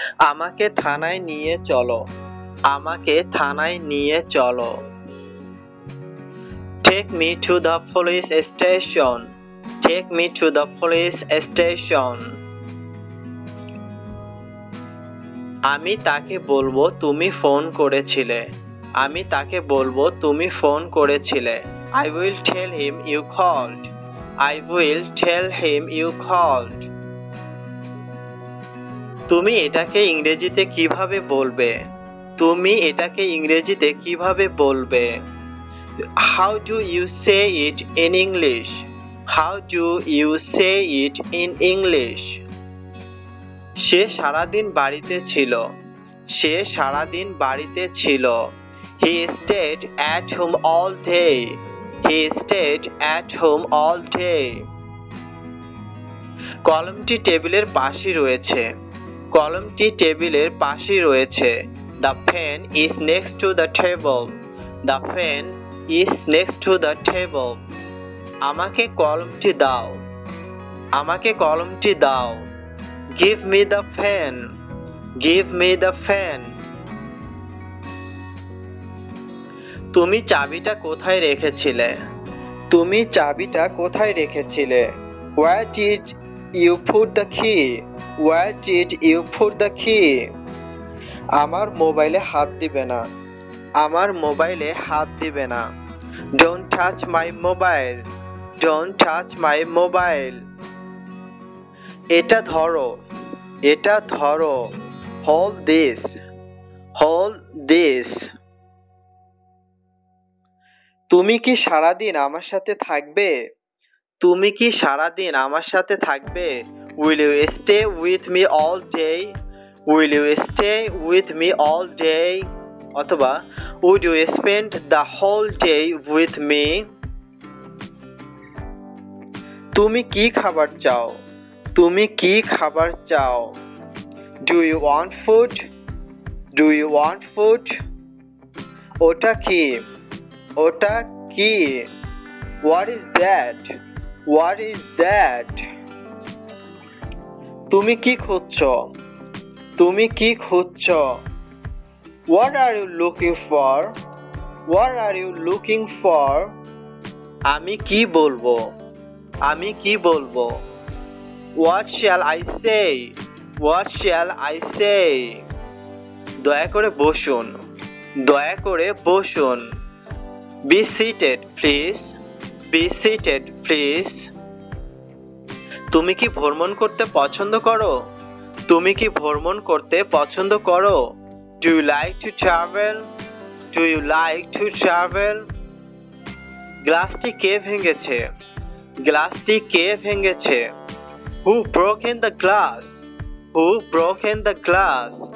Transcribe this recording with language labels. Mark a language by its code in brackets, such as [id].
[bn] আমাকে থানায় নিয়ে চলো, আমাকে থানায় নিয়ে চলো। [en] Take me to the police station, take me to the police station। [bn] আমি তাকে বলবো তুমি ফোন করেছিলে, আমি তাকে বলবো তুমি ফোন করেছিলে। [en] I will tell him you called, I will tell him you called। [bn] তুমি এটাকে ইংরেজিতে কিভাবে বলবে, তুমি এটাকে ইংরেজিতে কিভাবে বলবে। [en] How do you say it in English, how do you say it in English। [bn] সে সারা দিন বাড়িতে ছিল, সে সারা দিন বাড়িতে ছিল। [en] He stayed at home all day, he stayed at home all day। [bn] কলমটি টেবিলের পাশে রয়েছে, কলমটি টেবিলের পাশে রয়েছে। [en] The pen is next to the table, the pen is next to the table। [bn] আমাকে কলমটি দাও, আমাকে কলমটি দাও। [en] Give me the pen, give me the pen। [bn] তুমি চাবিটা কোথায় রেখেছিলে, তুমি চাবিটা কোথায় রেখেছিলে। [en] Where did you put the key, where did you put the key। [bn] আমার মোবাইলে হাত দিবে না, আমার মোবাইলে হাত দিবে না। [en] Don't touch my mobile, don't touch my mobile। [bn] এটা ধরো, এটা ধরো। [en] Hold this, hold this। [bn] তুমি কি সারা দিন আমার সাথে থাকবে, তুমি কি সারা দিন আমার সাথে থাকবে। [en] Will you stay with me all day, will you stay with me all day। অথবা Would you spend the whole day with me। [bn] তুমি কি খাবার চাও, তুমি কি খাবার চাও। [en] Do you want food, do you want food। [bn] ওটা কি, ওটা কি। [en] What is that, what is that। [bn] তুমি কি খুঁজছো, তুমি কি খুঁজছো। [en] What are you looking for, what are you looking for। [bn] আমি কি বলবো, আমি কি বলবো। [en] What shall I say, [bn] what shall I say। দয়া করে বসুন, দয়া করে বসুন। [en] Be seated please, be seated please। [bn] তুমি কি ভ্রমণ করতে পছন্দ করো, তুমি কি ভ্রমণ করতে পছন্দ করো। [en] Do you like to travel, do you like to travel। [bn] গ্লাসটি কে ভেঙেছে, গ্লাসটি কে ভেঙেছে। [en] Who broke in the glass, who broke in the glass।